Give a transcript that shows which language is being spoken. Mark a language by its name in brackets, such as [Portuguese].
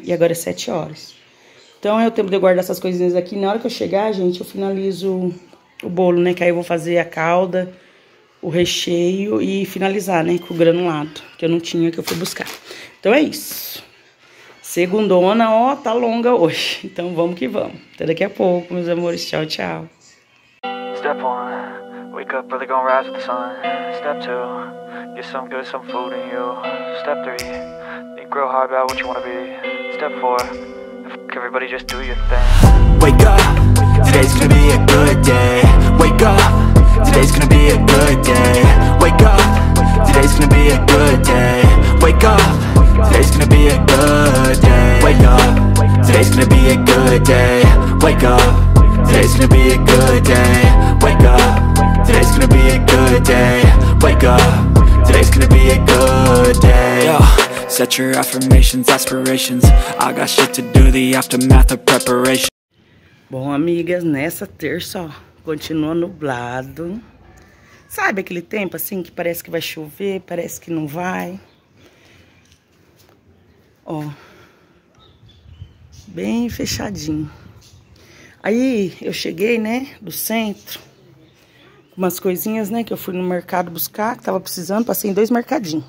[Portuguese] E agora é 7 horas. Então é o tempo de eu guardar essas coisinhas aqui, na hora que eu chegar, gente, eu finalizo o bolo, né? Que aí eu vou fazer a calda, o recheio e finalizar, né? Com o granulado, que eu não tinha, que eu fui buscar. Então é isso. Segundona, ó, tá longa hoje. Então vamos que vamos. Até daqui a pouco, meus amores. Tchau, tchau. [English] Step 1. Wake up early, gonna rise with the sun. Step 2, get some good, some food in you. Step 3, think real hard about what you wanna be. Step 4, fuck everybody, just do your thing. Wake up, today's gonna be a good day. Wake up, today's gonna be a good day. Wake up, today's gonna be a good day. Wake up, today's gonna be a good day. Wake up, today's gonna be a good day. Wake up, today's gonna be a good day. Wake up. Today's gonna be a good day. Wake up. Today's gonna be a good day. Yo, set your affirmations, aspirations. I got shit to do, the aftermath of preparation. [Portuguese] Bom, amigas, nessa terça, ó, continua nublado. Sabe aquele tempo assim que parece que vai chover, parece que não vai? Ó, bem fechadinho. Aí eu cheguei, né, do centro. Umas coisinhas, né, que eu fui no mercado buscar, que tava precisando, passei em 2 mercadinhos.